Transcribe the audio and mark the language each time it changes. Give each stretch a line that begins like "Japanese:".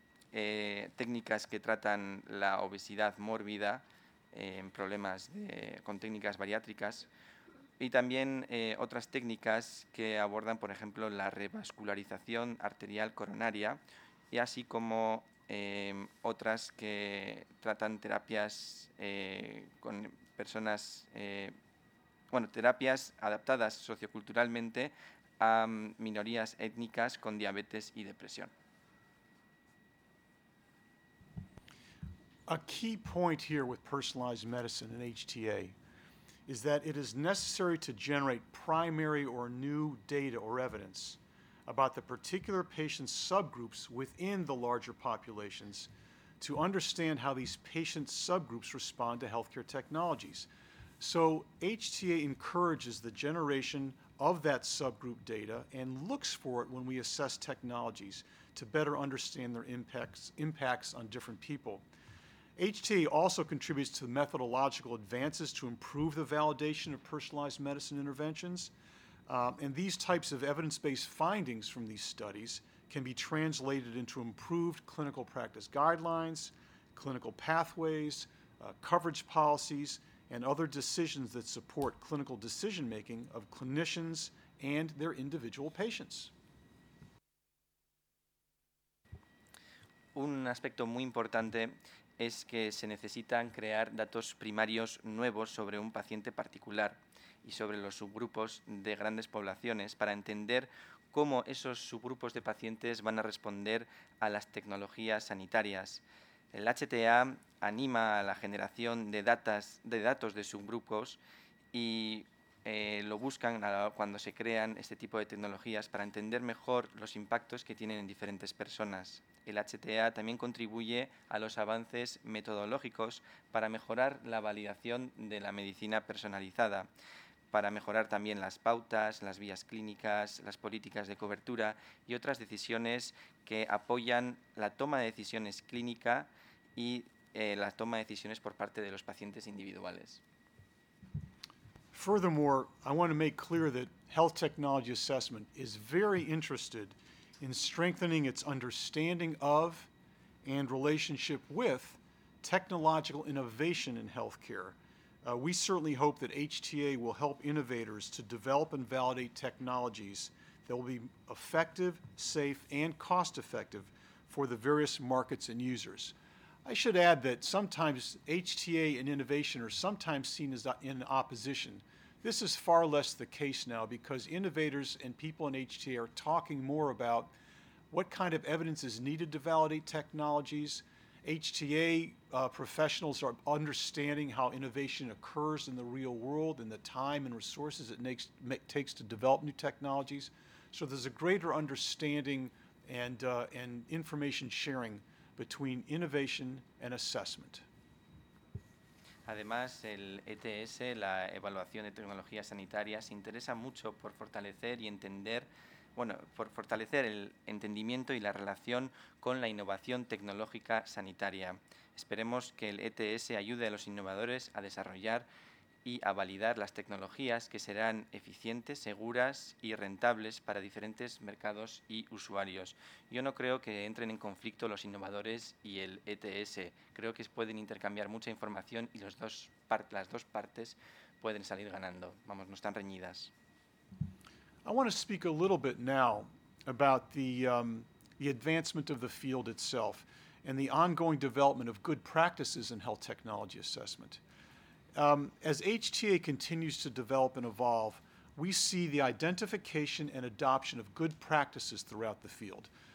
Spanish: técnicas que tratan la obesidad mórbida en problemas con técnicas bariátricas, y también otras técnicas que abordan, por ejemplo, la revascularización arterial coronaria, y así como otras que tratan terapias con personas, terapias adaptadas socioculturalmente a minorías étnicas con diabetes y depresión.
English: A key point here with personalized medicine and HTA is that it is necessary to generate primary or new data or evidence about the particular patient subgroups within the larger populations to understand how these patient subgroups respond to healthcare technologies. So HTA encourages the generation of that subgroup data and looks for it when we assess technologies to better understand their impacts on different people. HTA also contributes to methodological advances to improve the validation of personalized medicine interventions. And these types of evidence-based findings from these studies can be translated into improved clinical practice guidelines, clinical pathways, coverage policies, and other decisions that support clinical decision-making of clinicians and their individual patients.
Spanish: Un aspecto muy importante es que se necesitan crear datos primarios nuevos sobre un paciente particular y sobre los subgrupos de grandes poblaciones para entender cómo esos subgrupos de pacientes van a responder a las tecnologías sanitarias. El HTA anima a la generación de datos de subgrupos y lo buscan cuando se crean este tipo de tecnologías para entender mejor los impactos que tienen en diferentes personas. El HTA también contribuye a los avances metodológicos para mejorar la validación de la medicina personalizada, para mejorar también las pautas, las vías clínicas, las políticas de cobertura y otras decisiones que apoyan la toma de decisiones clínica y la toma de decisiones por parte de los pacientes individuales.
English: Furthermore, I want to make clear that Health Technology Assessment is very interested in strengthening its understanding of and relationship with technological innovation in healthcare. We certainly hope that HTA will help innovators to develop and validate technologies that will be effective, safe, and cost-effective for the various markets and users. I should add that sometimes HTA and innovation are sometimes seen as in opposition. This is far less the case now because innovators and people in HTA are talking more about what kind of evidence is needed to validate technologies. HTA professionals are understanding how innovation occurs in the real world and the time and resources it takes to develop new technologies. So there's a greater understanding and information sharing between innovation and assessment.
Spanish: Además, el ETS, la Evaluación de Tecnologías Sanitarias, se interesa mucho por fortalecer y entender, bueno, por fortalecer el entendimiento y la relación con la innovación tecnológica sanitaria. Esperemos que el ETS ayude a los innovadores a desarrollar y a validar las tecnologías que serán eficientes, seguras y rentables para diferentes mercados y usuarios. Yo no creo que entren en conflicto los innovadores y el ETS. Creo que pueden intercambiar mucha información y las dos partes pueden salir ganando. Vamos, no están reñidas.
English: I want to speak a little bit now about the advancement of the field itself and the ongoing development of good practices in health technology assessment. As HTA continues to develop and evolve, we see the identification and adoption of good practices throughout the field.